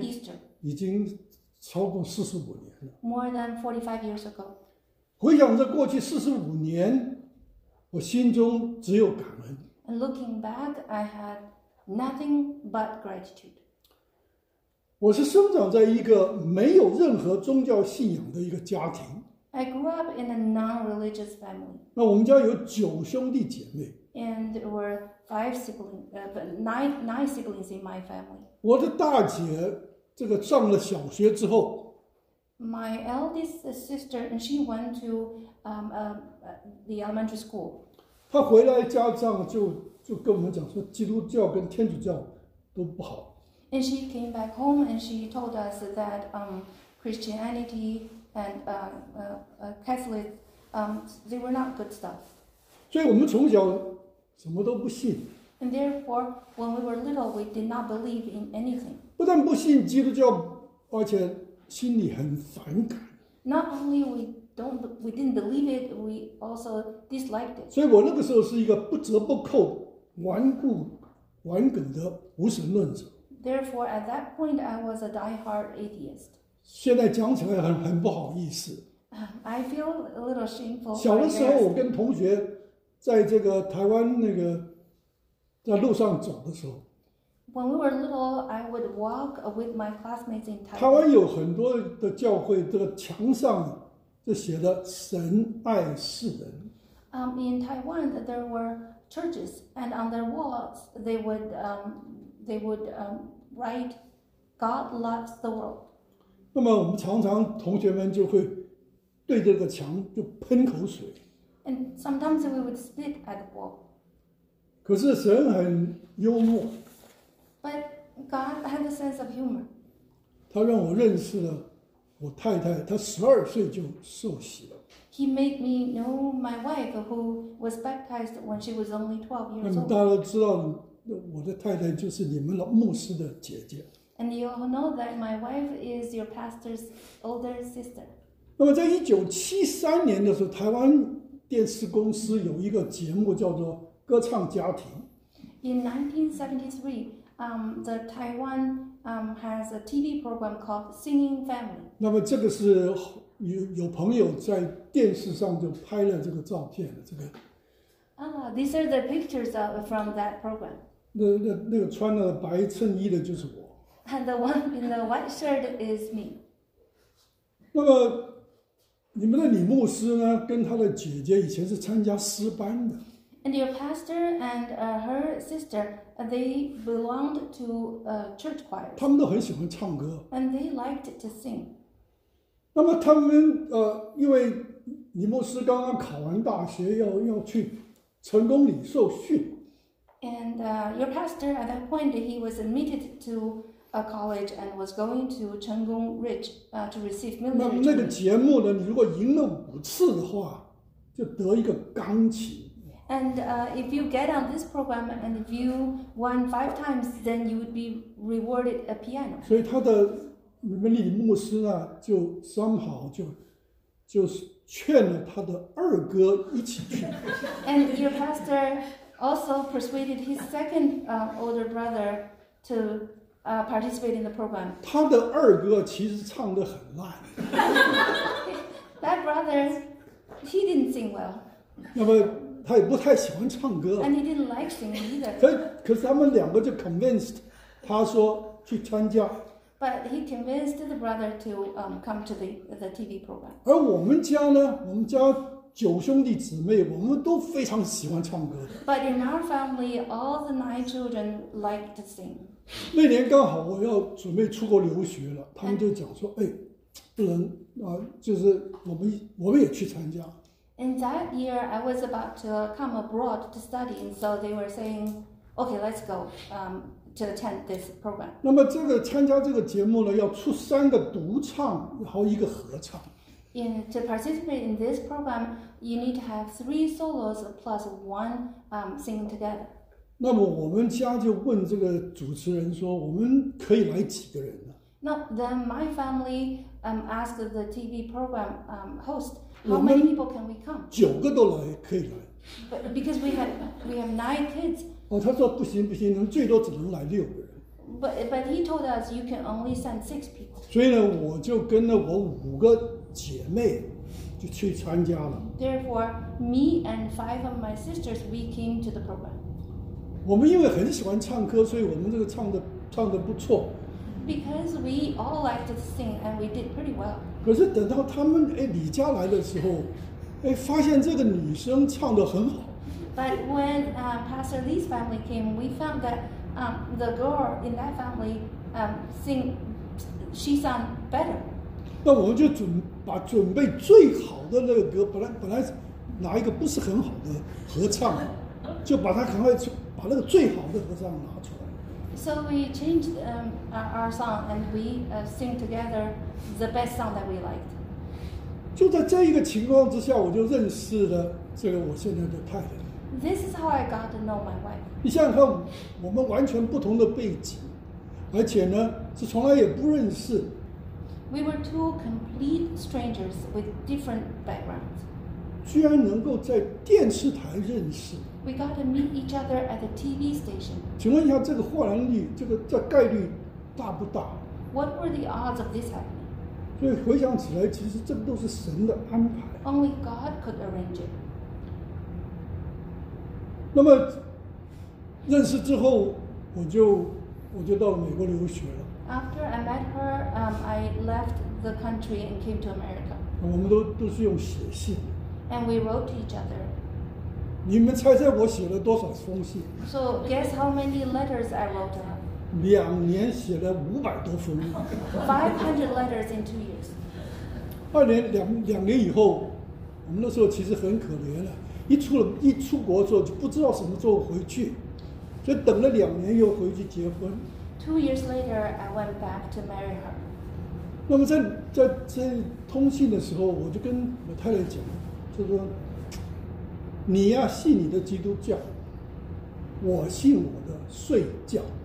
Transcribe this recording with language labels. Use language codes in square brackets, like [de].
[en] Easter [zh] 已经超过45年了。 [en] More than 45 years ago. [zh] 回想着过去45年。我心中只有感恩。 [en] And looking back, I had nothing but gratitude. [zh] 我是生长在一个没有任何宗教信仰的一个家庭。 [en] I grew up in a non-religious family. [zh] 那我们家有九兄弟姐妹。 [en] And there were five siblings, nine siblings in my family. [zh] 我的大姐这个上了小学之后 [en] ，My eldest sister and she went to the elementary school. [zh] 她回来家长就跟我们讲说，基督教跟天主教都不好。 [en] And she came back home and she told us that Christianity and Catholic they were not good stuff. [zh] 所以我们从小什么都不信。 [en] And therefore, when we were little, we did not believe in anything. [zh] 不但不信基督教，而且心里很反感。 [en] Not only we didn't believe it, we also disliked it. [zh] 所以我那个时候是一个不折不扣、顽固、顽梗的无神论者。 [en] Therefore, at that point, I was a die-hard atheist. [zh] 现在讲起来很不好意思。 [en] I feel a little shameful. [zh] 小的时候，我跟同学在这个台湾那个。在路上走的时候 [en] ，When we were little, I would walk with my classmates in Taiwan. [zh] 台湾有很多的教会，这个墙上就写的“神爱世人”。 [en] In Taiwan, there were churches, and on their walls, they would write, "God loves the world." [zh] 那么我们常常同学们就会对着这个墙就喷口水。 [en] And sometimes we would spit at the wall. [zh] 可是神很幽默 [en] ，But God has a sense of humor. [zh] 他让我认识了我太太，她十二岁就受洗了。 [en] He made me know my wife, who was baptized when she was only 12 years old. [zh] 那么大家都知道，我的太太就是你们老牧师的姐姐。 [en] And you all know that my wife is your pastor's older sister. [zh] 那么在1973年的时候，台湾电视公司有一个节目叫做。歌唱家庭。 [en] In 1973, the Taiwan has a TV program called Singing Family. [zh] 那么这个是 有朋友在电视上就拍了这个照片，这个。 [en] These are the pictures of, from that program. [zh] 那个穿了白衬衣的就是我。 [en] And the one in the white shirt is me. [zh] 那么你们的李牧师呢，跟他的姐姐以前是参加诗班的。 [en] And your pastor and her sister, they belonged to a church choir. [zh] 他们都很喜欢唱歌。 [en] And they liked to sing. [zh] 那么他们因为李牧师刚刚考完大学，要去成功里受训。 [en] And your pastor at that point he was admitted to a college and was going to Cheng Gong Ridge to receive military training. [zh] 那个节目呢，你如果赢了五次的话，就得一个钢琴。 [en] And if you get on this program and if you won 5 times, then you would be rewarded a piano. [zh] 所以他的你们李牧师呢，就 [en] somehow [zh] 就劝了他的二哥一起去。 [en] And your pastor also persuaded his second older brother to participate in the program. [zh] 他的二哥其实唱得很烂。 [en] That brother, he didn't sing well. [zh] 那么。他也不太喜欢唱歌。 [en] And he didn't like singing either. [zh] 可是他们两个就 [en] convinced [zh] 他说去参加。 [en] But he convinced the brother to come to the TV program. [zh] 而我们家呢，我们家九兄弟姊妹，我们都非常喜欢唱歌。 [en] But in our family, all the 9 children liked to sing. [zh] 那年刚好我要准备出国留学了，他们就讲说，哎，不能啊，就是我们也去参加。 [en] And that year, I was about to come abroad to study, and so they were saying, "Okay, let's go to attend this program." [zh] 那么这个参加这个节目呢，要出三个独唱，然后一个合唱。 [en] And to participate in this program, you need to have 3 solos plus 1 singing together. [zh] 那么我们家就问这个主持人说，我们可以来几个人呢？ [en] Now then, my family asked the TV program host. How many people can we come? [zh] 九个都来可以来。 [en] But because we have 9 kids. [zh] 哦，他说不行不行，能最多只能来六个人。 [en] But he told us you can only send 6 people. [zh] 所以呢，我就跟了我五个姐妹就去参加了。 [en] Therefore, me and 5 of my sisters we came to the program. [zh] 我们因为很喜欢唱歌，所以我们这个唱的不错。 [en] Because we all liked to sing and we did pretty well. [zh] 可是等到他们哎李家来的时候，哎发现这个女生唱得很好。 [en] But when Pastor Lee's family came, we found that the girl in that family sing she sound better. [zh] 那我们就准备最好的那个歌，本来拿一个不是很好的合唱，就把它赶快去把那个最好的合唱拿出来。 [en] So we changed our song and we sing together the best song that we liked. [zh] 就在这一个情况之下，我就认识了这个我现在的太太。 [en] This is how I got to know my wife. [zh] 你想想看，我们完全不同的背景，而且呢是从来也不认识。 [en] We were two complete strangers with different backgrounds. [zh] 居然能够在电视台认识。 [en] We got to meet each other at the TV station. [zh] 请问一下，这个豁然率，这个这概率大不大 [en] ？What were the odds of this happening? [zh] 所以回想起来，其实这都是神的安排。 [en] Only God could arrange it. [zh] 那么认识之后，我就到美国留学了。 [en] After I met her, I left the country and came to America. [zh] 我们都是用写信。 [en] And we wrote to each other. [zh] 你们猜猜我写了多少封信 [en] ？So guess how many letters I wrote to her? [zh] 两年写了500多封。 [en] 500 letters in 2 years. [zh] 两年以后，我们那时候其实很可怜了，一出国之后就不知道什么时候回去，所以等了两年又回去结婚。 [en] 2 years later, I went back to marry her. [zh] 那么在通信的时候，我就跟我太太讲，就说你要信你的基督教，我信我的睡觉。